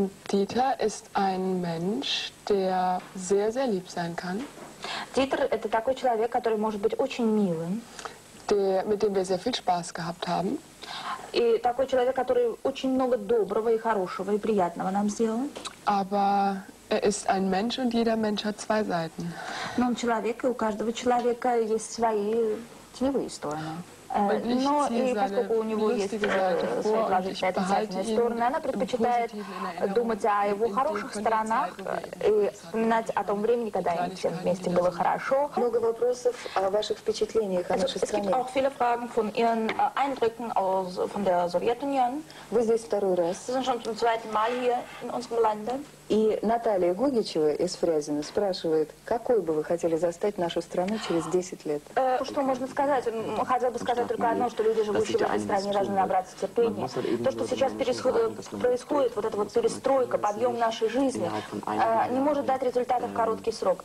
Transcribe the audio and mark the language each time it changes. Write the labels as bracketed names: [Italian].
[German] Дитер ist ein Mensch, der sehr, sehr lieb sein kann. [Russian] Дитер – это такой человек, который может быть очень милым. [German] Der, mit dem wir sehr viel Spaß gehabt haben. [Russian] И такой человек, который очень много доброго и хорошего и приятного нам сделал. [German] Aber er ist ein Mensch und jeder Mensch hat zwei Seiten. [Russian] Но он человек, и у каждого человека есть свои теневые стороны. Но и поскольку у него есть свои положительные и отрицательные стороны, она предпочитает думать о его хороших сторонах и вспоминать о том времени, когда им всем вместе было хорошо. Много вопросов о ваших впечатлениях о нашей стране. [German] Es gibt auch viele Fragen von Ihren Eindrücken aus von der Sowjetunion. [Russian] Вы здесь второй раз. [German] Sie sind schon zum zweiten Mal hier in unserem Land. [Russian] И Наталья Гугичева из Фрязино спрашивает, какой бы вы хотели застать нашу страну через 10 лет? Что можно сказать? Хотел бы сказать только одно, что люди, живущие в этой стране, должны набраться терпения. То, что сейчас происходит, вот эта вот перестройка, подъем нашей жизни, не может дать результата в короткий срок.